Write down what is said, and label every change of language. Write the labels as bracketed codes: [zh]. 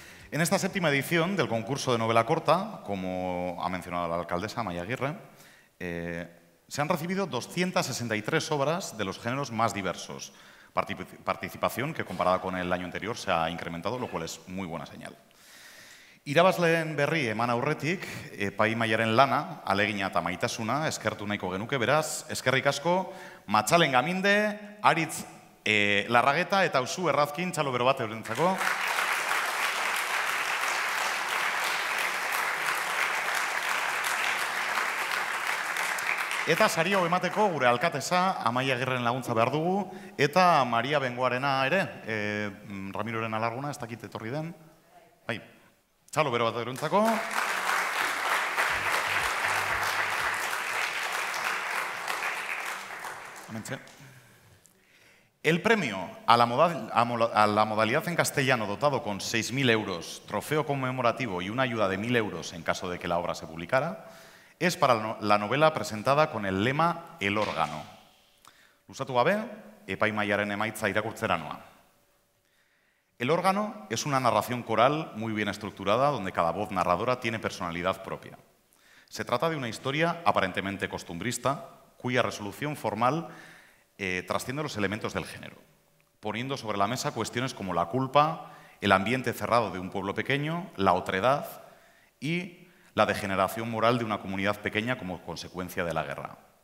[es] En esta 7ª edición del concurso de novela corta, como ha mencionado la alcaldesa Maya Aguirre, se han recibido 263 obras de los géneros más diversos. Participación que, comparada con el año anterior, se ha incrementado, lo cual es muy buena señal. [eu] Irabazleen berri eman aurretik, Epai Maiaren lana, alegina eta maitasuna, eskertu nahiko genuke, beraz, eskerrik asko, Matxalen Gaminde, Aritz Larrageta eta Usu Errazkin, txalo bero bat eurentzako. Eta sari hau emateko gure alkatesa, Amaia Agirren laguntza behar dugu, eta Maria Bengoarena ere, Ramiroren alarguna, ez dakit etorri den. Bai, txalo bero bat eruntzako. Amentze. [es] El premio a la modalidad en castellano dotado con 6.000 euros, trofeo conmemorativo y una ayuda de 1.000 euros en caso de que la obra se publicara, es para la novela presentada con el lema El órgano. [eu] Luzatu gabe, Epai Maiaren emaitza irakurtzera noa. [es] El órgano es una narración coral muy bien estructurada donde cada voz narradora tiene personalidad propia. Se trata de una historia aparentemente costumbrista, cuya resolución formal trasciende los elementos del género, poniendo sobre la mesa cuestiones como la culpa, el ambiente cerrado de un pueblo pequeño, la otredad y la degeneración moral de una comunidad pequeña como consecuencia de la guerra.